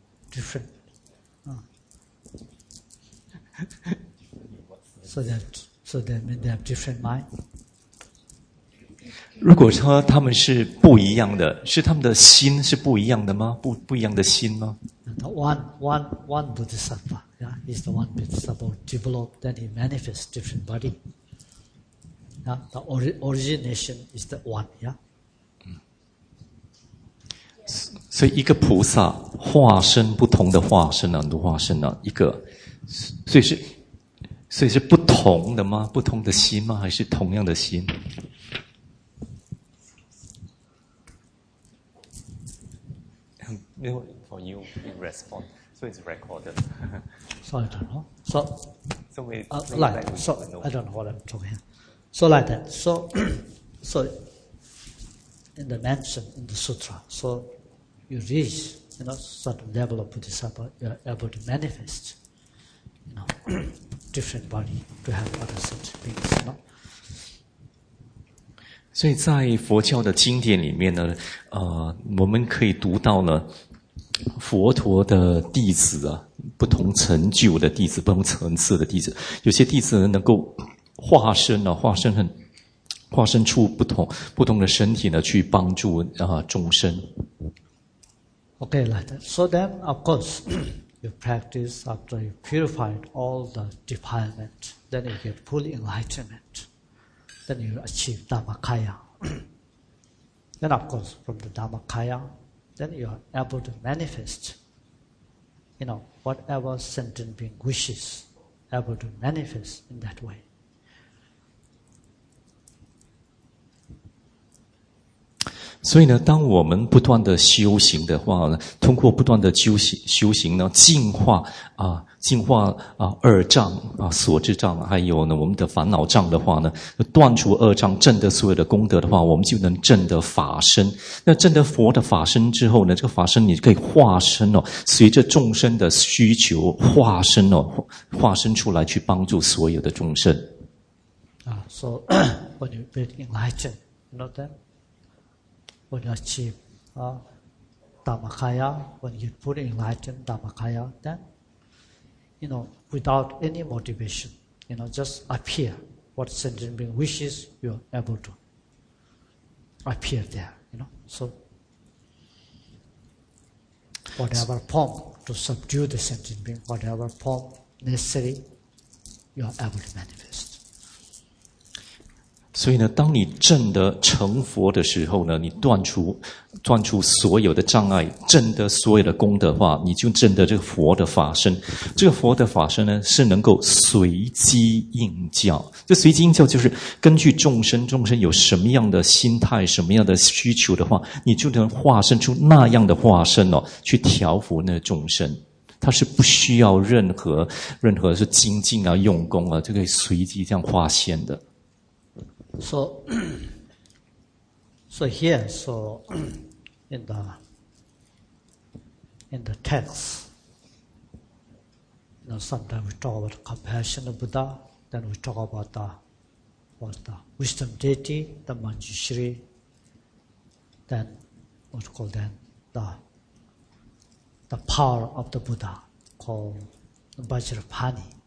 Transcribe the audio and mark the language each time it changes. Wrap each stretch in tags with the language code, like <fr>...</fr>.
<en>Different. So that means they have different mind.</en> <zh>如果说他们是不一样的，是他们的心是不一样的吗？不一样的心吗</zh> <en>？One Bodhisattva, yeah, is the one Bodhisattva developed, then he manifests different body. Yeah, the origination is the one, yeah.</en> <zh>所以一个菩萨化身不同的化身很多化身呢，一个，所以是不同的吗？不同的心吗？还是同样的心？</zh> <en>No, for you, you respond. So it's recorded. So I don't know. So, so we, like, so I don't know what I'm talking about. So like that. So, so in the mention, in the sutra, so you reach, you know, certain level of bodhisattva, you're able to manifest, you know, different body to have other such beings, you know.</en> <zh>所以在佛教的经典里面呢，我们可以读到呢，佛陀的弟子啊，不同成就的弟子，不同层次的弟子，有些弟子能够化身啊，化身出不同的身体呢，去帮助啊众生。</zh> <en>Okay, like that. So then, of course, you practice after you purified all the defilement, then you get full enlightenment. Then you achieve Dhammakaya. Then of course, from the Dhammakaya, then you are able to manifest, you know, whatever sentient being wishes, able to manifest in that way.</en> <zh>所以呢，当我们不断的修行的话呢，通过不断的修行呢，净化啊。净化啊，二障啊，所知障，还有呢，我们的烦恼障的话呢，断除二障，证得所有的功德的话，我们就能证得法身。那证得佛的法身之后呢，这个法身你可以化身哦，随着众生的需求化身哦，化身出来去帮助所有的众生。</zh> <en>啊、，so when you get enlightened, not that when you achieve Dhammakaya, when you put enlightened Dhammakaya, then. You know, without any motivation, you know, just appear. What sentient being wishes, you are able to appear there, you know. So, whatever form to subdue the sentient being, whatever form necessary, you are able to manifest.</en> <zh>所以呢，当你证得成佛的时候呢，你断除所有的障碍，证得所有的功德的话，你就证得这个佛的法身。这个佛的法身呢，是能够随机应教。这随机应教就是根据众生有什么样的心态、什么样的需求的话，你就能化身出那样的化身哦，去调伏那众生。它是不需要任何是精进啊、用功啊，就可以随机这样化现的。</zh> <en>So here, so in the text, you know, sometimes we talk about compassionate Buddha, then we talk about the wisdom deity, the Manjushri, then what we call then the power of the Buddha called Vajrapani.</en>